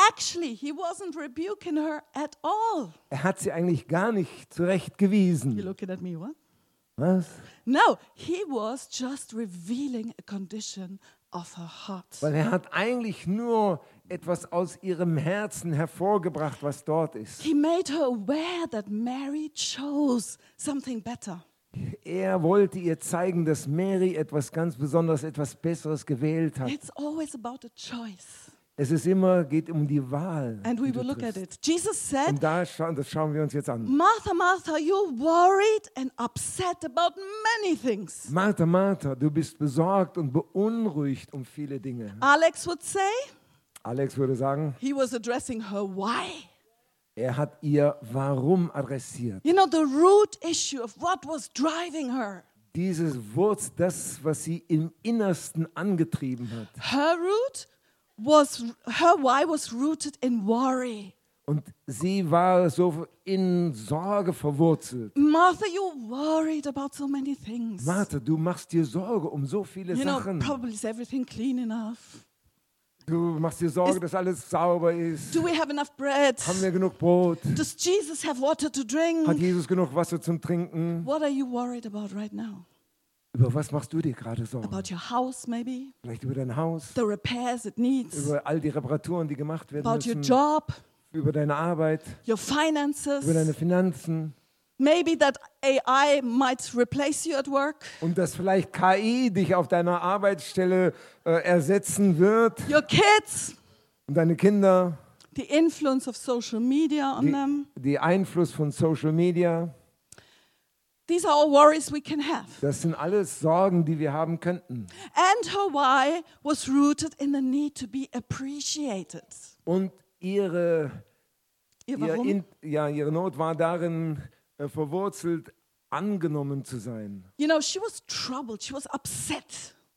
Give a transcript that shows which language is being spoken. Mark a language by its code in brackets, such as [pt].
[en] Actually, he wasn't rebuking her at all. [de] Er hat sie eigentlich gar nicht zurechtgewiesen. [en] You're looking at me, what? [de] Was? [en] No, he was just revealing a condition of her heart. [de] Weil er hat eigentlich nur etwas aus ihrem Herzen hervorgebracht, was dort ist. [en] He made her aware that Mary chose something better. [de] Er wollte ihr zeigen, dass Mary etwas ganz Besonderes, etwas Besseres gewählt hat. [en] It's always about a choice. [de] Es ist immer, geht um die Wahl. [en] And we will look at it. Jesus said, [de] und das schauen wir uns jetzt an. [en] Martha, Martha, you're worried and upset about many things. [de] Martha, Martha, du bist besorgt und beunruhigt um viele Dinge. Alex würde sagen, [en] he was addressing her why. [de] Er hat ihr warum adressiert. [en] You know, the root issue of what was driving her. [de] Dieses Wurz, das, was sie im Innersten angetrieben hat. [en] Her why was rooted in worry. [de] Und sie war so in Sorge verwurzelt. [en] Martha, you're worried about so many things. [de] Martha, du machst dir Sorge um so viele [en] you [de] Sachen. [en] Know, probably is everything clean enough? [de] Du machst dir Sorge, dass alles sauber ist. [en] Do we have enough bread? [de] Haben wir genug Brot? [en] Does Jesus have water to drink? [de] Hat Jesus genug Wasser zum Trinken? [en] What are you worried about right now? [de] Über was machst du dir gerade Sorgen? [en] About your house maybe? [de] Vielleicht über dein Haus? [en] The repairs it needs? [de] Über all die Reparaturen, die gemacht werden [en] about [de] müssen? [en] About your job? [de] Über deine Arbeit? [en] Your finances? [de] Über deine Finanzen? [en] Maybe that AI might replace you at work? [de] Und dass vielleicht KI dich auf deiner Arbeitsstelle ersetzen wird? [en] Your kids? [de] Und deine Kinder? [en] The influence of social media on them? [de] Die Einfluss von Social Media? [en] These are all worries we can have. [de] Das sind alles Sorgen, die wir haben könnten. [en] And her why was rooted in the need to be appreciated. [de] Und ihre Not war darin verwurzelt, angenommen zu sein. [en] You know, she was troubled, she was upset.